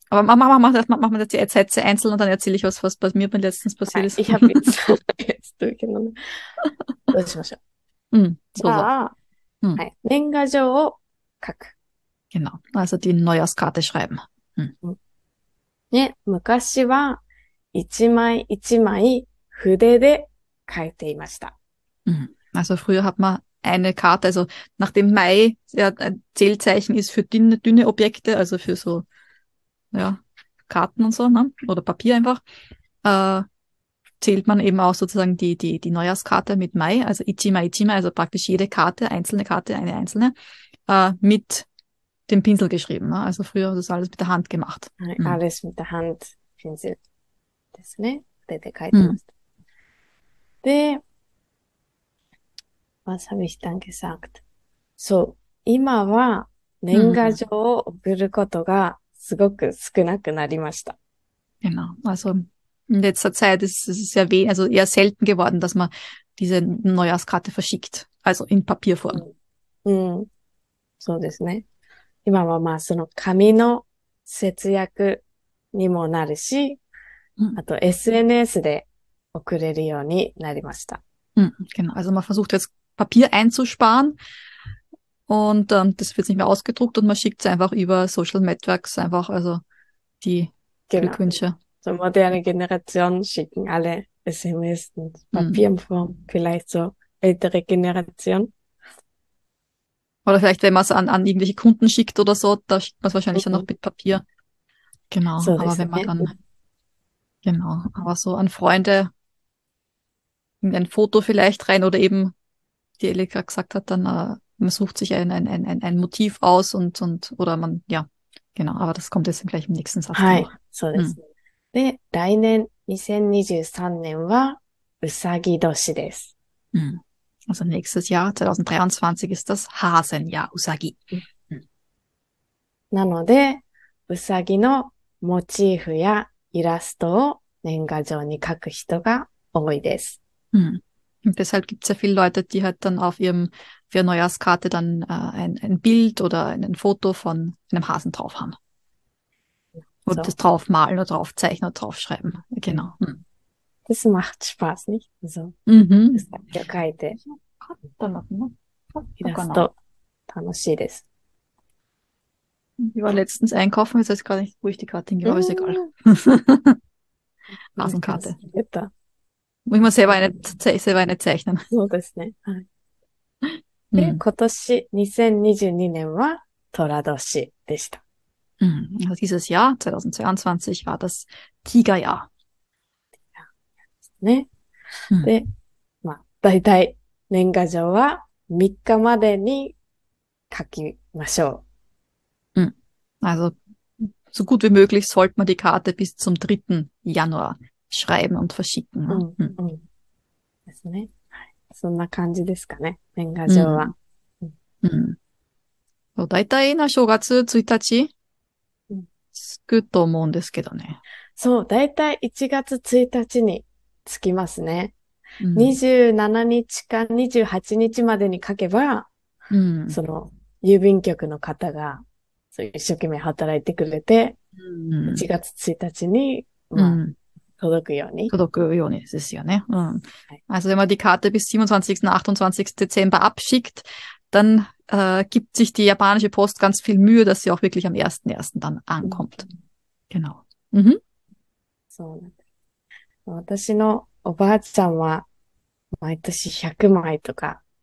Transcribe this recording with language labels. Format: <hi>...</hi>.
<de>Aber mach mal die Sätze einzeln und dann erzähle ich was bei mir letztens passiert Nein, ist. ich habe jetzt durchgenommen. Das ist schon. so, so.</de> <ja>Da. Hi. 年賀状を書く。</ja> <de>Genau, also die Neujahrskarte schreiben.</de> <ja>ね、昔は一枚一枚筆で書いていました。</ja> <de>Also früher hat man eine Karte, also nach dem Mai, ja, ein Zählzeichen ist für dünne, dünne Objekte, also für so ja, Karten und so, ne? Oder Papier einfach, zählt man eben auch sozusagen die Neujahrskarte mit Mai, also</de> <ja>Ichimai Ichimai,</ja> <de>also praktisch jede Karte, einzelne Karte, eine einzelne, mit dem Pinsel geschrieben, ne? Also früher hat das alles mit der Hand gemacht. Alles mit der Hand, Pinsel,</de> <ja>ですね。筆で書いてました。</ja> <de>で、was habe ich dann gesagt?</de> <ja>So, 今は年賀状を送ることがすごく少なくなりました。</ja> <de>Genau, also in letzter Zeit ist es ja weh, also eher selten geworden, dass man diese Neujahrskarte verschickt, also in Papierform.</de> <ja>そうですね。今はまあその紙の節約にもなるし、あと SNS で送れるようになりました。</ja> <de>Genau, also man versucht jetzt Papier einzusparen, Und das wird nicht mehr ausgedruckt und man schickt es einfach über Social Networks einfach, also die Genau. Glückwünsche. So moderne Generation schicken alle SMS und Papierform, vielleicht so ältere Generation. Oder vielleicht, wenn man es an irgendwelche Kunden schickt oder so, da schickt man es wahrscheinlich dann noch mit Papier. Genau, So, aber das wenn man ist dann, genau, aber so an Freunde in ein Foto vielleicht rein oder eben, wie Elika gesagt hat, dann man sucht sich ein Motiv aus und oder man, ja, genau, aber das kommt jetzt gleich im nächsten Satz dann</de> <ja>はい、</ja> <de>noch.</de> <ja>そうですね。で、来年2023年はうさぎ年です。</ja> <de>Also nächstes Jahr, 2023, ist das Hasenjahr, Usagi.</de> <ja>なので、うさぎのモチーフやイラストを年賀状に描く人が多いです。</ja> <de>Und deshalb gibt es ja viele Leute, die halt dann auf ihrem für Neujahrskarte dann ein Bild oder ein Foto von einem Hasen drauf haben. Und das So. drauf malen oder drauf zeichnen oder drauf schreiben. Genau. Das macht Spaß, nicht? So. Das kann ich ja</de> <ja>kaite.</ja> <de>Dann machen wir Ich sogar das noch. doch.</de> <ja>Tanoshii desu.</ja> <de>Ich war letztens einkaufen, jetzt weiß ich gar nicht, wo ich die Karte hingebe, aber ist egal. Hasenkarte. Muss ich mal selber eine zeichnen.</de> <ja>そうですね。はい。で、今年2022年は寅年でした。</ja> <de>Also dieses Jahr, 2022, war das Tigerjahr.</de> <ja>ね。で、まあ、だいたい年賀状は3日までに書きましょう。</ja> <de>Also, so gut wie möglich sollte man die Karte bis zum 3. Januar schreiben und verschicken.</de> <ja>ですね。そんな感じですかね。年賀状は。 So, だいたいな正月1日つくと思うんですけどね。そう、だいたい1月1日につきますね。 27日か28日までに書けば、その郵便局の方が、そう一生懸命働いてくれて、1月1日に、まあ、届くように。届くようにですよね。</ja> <de>Also, wenn man die Karte bis 27. und 28. Dezember abschickt, dann gibt sich die japanische Post ganz viel Mühe, dass sie auch wirklich am 1.1. dann ankommt. Genau.</de> <ja>そうなんです。私のおばあちゃんは毎年100枚とか</ja>